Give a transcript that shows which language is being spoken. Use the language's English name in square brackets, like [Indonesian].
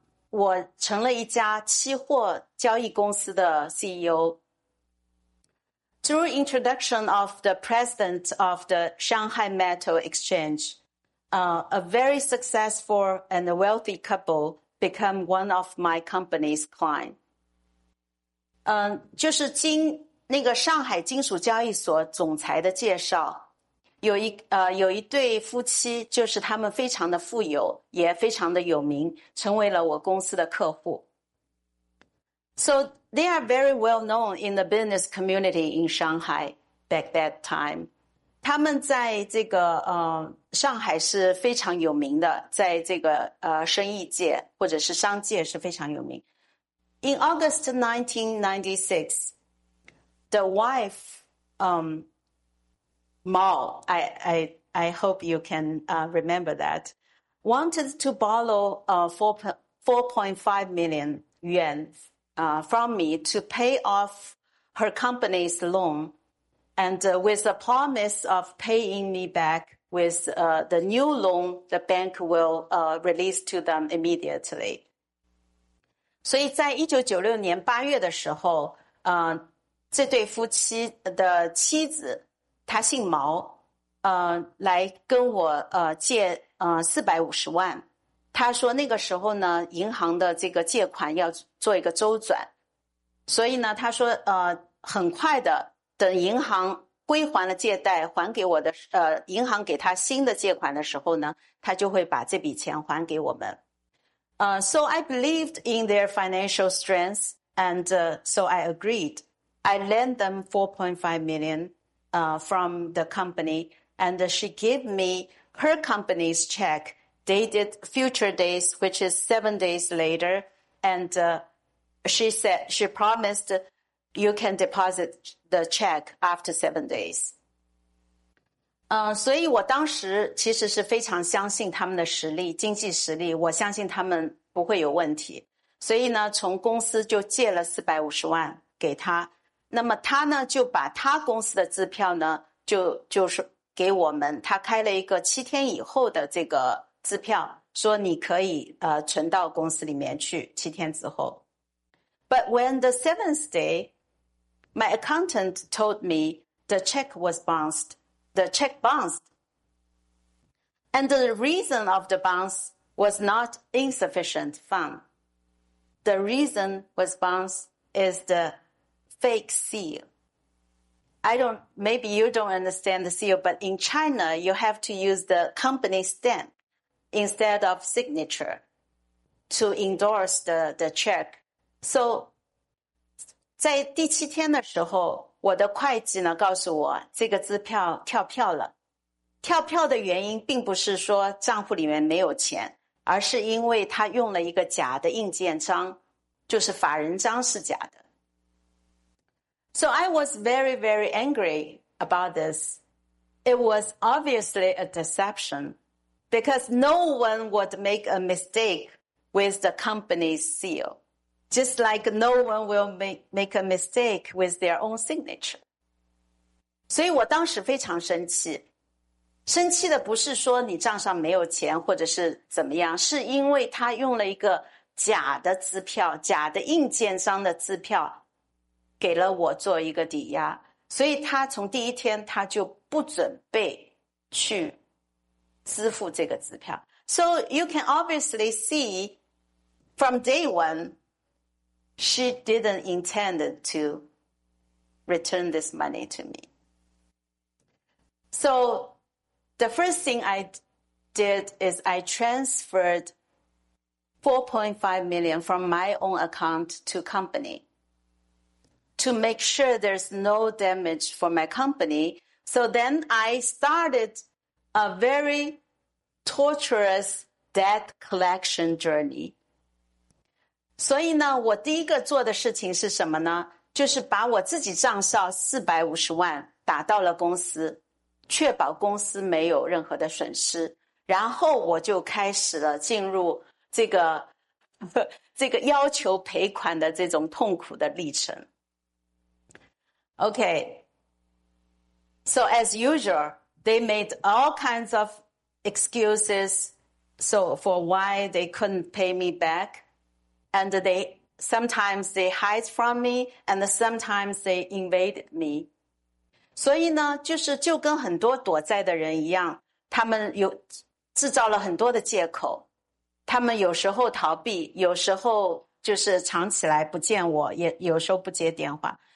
[Chinese] 我成了一家期货交易公司的 CEO. [English] Through introduction of the president of the Shanghai Metal Exchange, a very successful and wealthy couple become one of my company's clients. [Chinese] 就是经那个上海金属交易所总裁的介绍，有一对夫妻，就是他们非常的富有，也非常的有名，成为了我公司的客户。 [English] So they are very well known in the business community in Shanghai back that time. [Chinese] 他们在这个上海是非常有名的，在这个生意界或者是商界是非常有名。 [English] In August 1996. The wife, Mao, I hope you can remember that, wanted to borrow 4.5 million yuan from me to pay off her company's loan and with a promise of paying me back with the new loan the bank will release to them immediately. [Chinese] 所以在1996年8月的时候，这对夫妻的妻子，她姓毛，来跟我借450万。她说那个时候呢，银行的这个借款要做一个周转，所以呢，她说很快的，等银行归还了借贷，还给我的银行给她新的借款的时候呢，她就会把这笔钱还给我们。 [English] So I believed in their financial strength, and so I agreed. I lent them 4.5 million from the company, and she gave me her company's check dated future days, which is 7 days later. And she said she promised you can deposit the check after 7 days. [Chinese] 所以我当时其实是非常相信他们的实力，经济实力，我相信他们不会有问题。所以呢，从公司就借了450万给他。那么他呢就把他公司的支票呢就是给我们，他开了一个7天以后的这个支票，说你可以存到公司里面去7天之后。 [English] But when the seventh day, my accountant told me the check was bounced. The check bounced. And the reason of the bounce was not insufficient fund. the reason response is the fake seal. Maybe you don't understand the seal, but in China, you have to use the company stamp instead of signature to endorse the check. [Chinese] So, 在第七天的时候，我的会计呢告诉我，这个支票跳票了。跳票的原因并不是说账户里面没有钱，而是因为他用了一个假的印鉴章，就是法人章是假的。 [English] So I was very, very angry about this. It was obviously a deception because no one would make a mistake with the company's seal, just like no one will make a mistake with their own signature. [Chinese] 所以我当时非常生气。生气的不是说你账上没有钱或者是怎么样，是因为他用了一个假的支票，假的印鉴商的支票给了我做一个抵押，所以他从第一天他就不准备去支付这个支票。 [English] So you can obviously see from day one, she didn't intend to return this money to me. So the first thing I did is I transferred 4.5 million from my own account to company. To make sure there's no damage for my company. So then I started a very torturous debt collection journey. [Chinese] 所以呢，我第一个做的事情是什么呢？就是把我自己账上450万打到了公司，确保公司没有任何的损失。然后我就开始了进入这个要求赔款的这种痛苦的历程。 [English] Okay, so as usual, they made all kinds of excuses so for why they couldn't pay me back. And sometimes they hide from me, and sometimes they invaded me. [Chinese] 所以呢，就跟很多躲债的人一样，他们有制造了很多的借口。他们有时候逃避，有时候就是藏起来不见我，也有时候不接电话。